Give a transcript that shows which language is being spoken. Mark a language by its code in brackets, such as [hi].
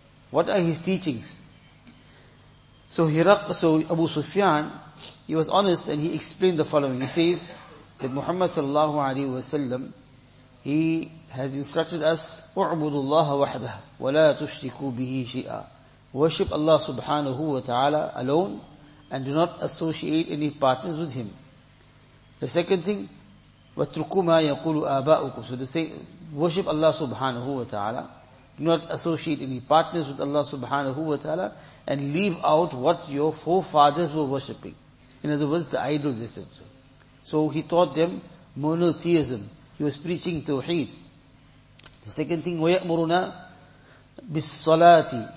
[en] What are his teachings? So Abu Sufyan, he was honest and he explained the following. He says that Muhammad sallallahu alayhi wa sallam, he has instructed us, [ar] اُعْبُدُ اللَّهَ وَحْدَهَ وَلَا تُشْرِكُوا بِهِ شِئًا. [en] Worship Allah subhanahu wa ta'ala alone and do not associate any partners with him. The second thing, [ar] وَتْرُكُوا مَا يَقُولُ آبَاؤُكُمْ. [en] So the thing, worship Allah subhanahu wa ta'ala, do not associate any partners with Allah subhanahu wa ta'ala, and leave out what your forefathers were worshipping. In other words, the idols, etc. So he taught them monotheism. He was preaching tawheed. The second thing, [ar] وَيَأْمُرُنَا بِالصَّلَاةِ.